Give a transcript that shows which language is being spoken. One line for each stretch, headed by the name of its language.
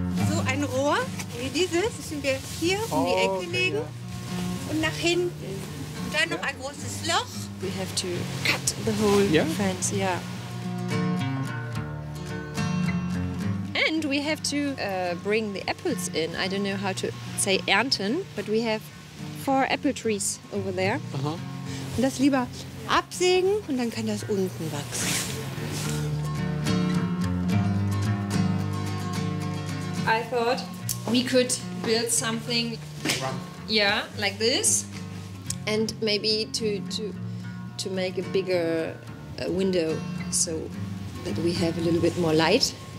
German: So ein Rohr wie dieses müssen wir hier um die Ecke legen und nach hinten. Und dann noch ein großes Loch.
English: We have to cut the whole fence, yeah. And we have to bring the apples in. I don't know how to say ernten, but we have 4 apple trees over there. Uh-huh.
German: Und das lieber absägen und dann kann das unten wachsen.
English: I thought we could build something, yeah, like this, and maybe to make a bigger window so that we have a little bit more light.